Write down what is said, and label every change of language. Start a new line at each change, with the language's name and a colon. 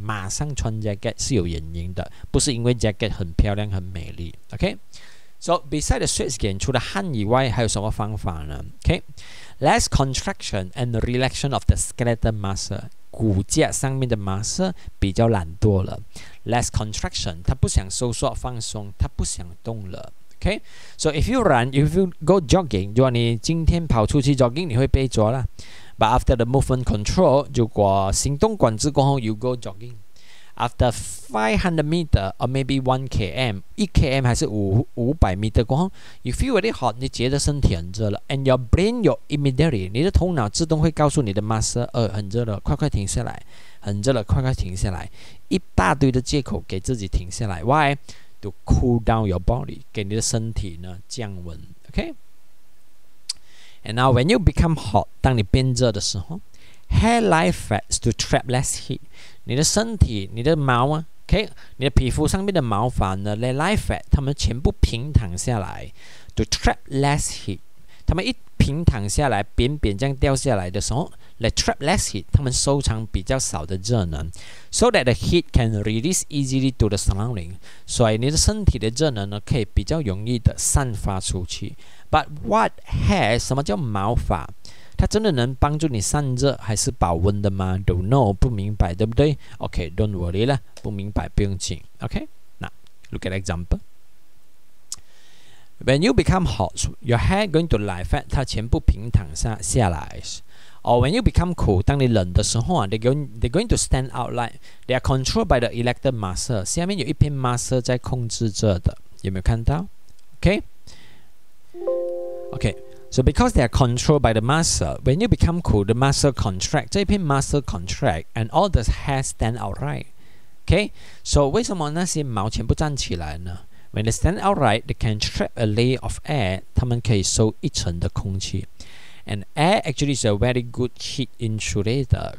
Chinese: 马上穿 jacket 是有原因的，不是因为 jacket 很漂亮很美丽 ，OK?
English: So beside the sweat skin,
Chinese: 除了汗以外，还有什么方法呢 ？OK?
English: Less contraction and relaxation of the skeletal muscle.
Chinese: 骨架上面的 muscle 比较懒惰了 ，
English: less contraction.
Chinese: 他不想收缩放松，他不想动了。
English: Okay, so if you run, if you go jogging,
Chinese: 如果你今天跑出去
English: jogging,
Chinese: 你会被抓啦。
English: But after the movement control,
Chinese: 如果行动管制过后
English: you go jogging. After 500 meters or maybe 1 km 还是500 meters 过后 you feel really hot,
Chinese: 你觉得身体很热了。
English: And your brain, your immediately,
Chinese: 你的头脑自动会告诉你的 muscle, 很热了，快快停下来，很热了，快快停下来。一大堆的借口给自己停下来。
English: Why? To cool down your body,
Chinese: 给你的身体呢降温
English: Okay. And now, when you become hot,
Chinese: 当你变热的时候
English: hairline fats to trap less heat.
Chinese: 你的身体，你的毛啊 ，Okay. 你的皮肤上面的毛发呢 ，hairline fat， 它们全部平躺下来 ，
English: to trap less heat.
Chinese: 它们一平躺下来，扁扁这样掉下来的时候 ，
English: they trap less heat.
Chinese: 它们收藏比较少的热能。
English: So that the heat can release easily to the surrounding.
Chinese: 所以你的身体的热能呢可以比较容易的散发出去。
English: But what hair,
Chinese: 什么叫毛发？它真的能帮助你散热还是保温的吗 ？
English: Don't know,
Chinese: 不明白对不对 ？
English: Okay, don't worry
Chinese: 啦，不明白不用紧。
English: Okay, now look at example. When you become hot, your hair going to lie flat,
Chinese: 它全部平躺下来。
English: Or when you become cool,
Chinese: 当你冷的时候啊
English: they're going to stand out like they are controlled by the erector muscle.
Chinese: 下面有一片 muscle 在控制着的，有没有看到 ？Okay.
English: So because they are controlled by the muscle, when you become cool, the muscle contract.
Chinese: 这一片
English: muscle contract, and all the hair stand out right. Okay. So
Chinese: 为什么那些毛全部站起来呢
English: ？When they stand out right, they can trap a layer of air.
Chinese: 他们可以收一层的空气。
English: And air actually is a very good heat insulator.